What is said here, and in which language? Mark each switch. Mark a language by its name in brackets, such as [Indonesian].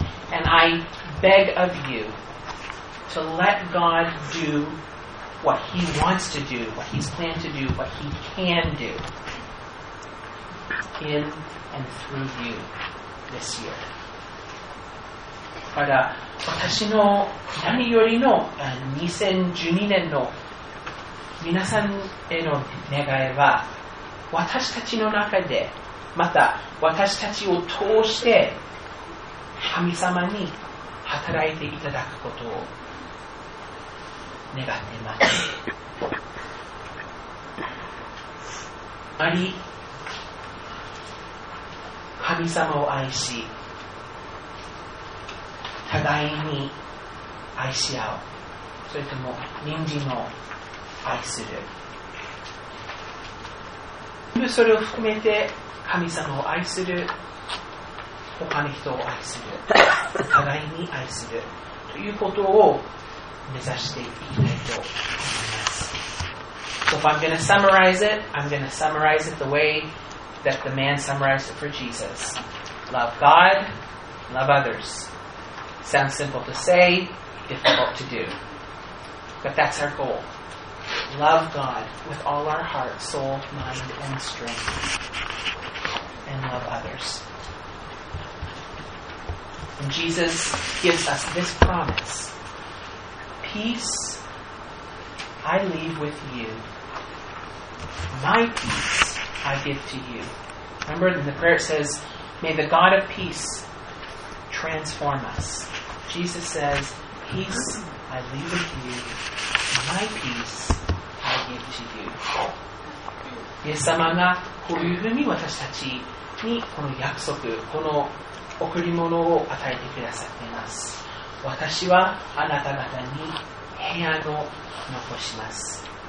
[English] And I beg of you to let God do what he wants to do, what he's planned to do, what he can do in and through you this year. [Japanese] だから私の何よりの2012年の皆さんへの願いは私たちの中でまた私たちを通して神様に働いていただくことを願っていますあり神様を愛し互いに愛し合う、それとも隣人を愛する、それを含めて神様を愛する、他の人を愛する、互いに愛するということを目指していきたいと思います。 [English] So if I'm going to summarize it, I'm going to summarize it the way that the man summarized it for Jesus. Love God, love others. Sounds simple to say, difficult to do. But that's our goal. Love God with all our heart, soul, mind, and strength. And love others. And Jesus gives us this promise. Peace I leave with you. My peace I give to you. Remember, in the prayer it says, may the God of peace transform us. Jesus says, peace I leave with you, my peace I give to you. [Japanese] イエス様がこういうふうに私たちにこの約束、この贈り物を与えてくださっています。私はあなた方に平安を残します。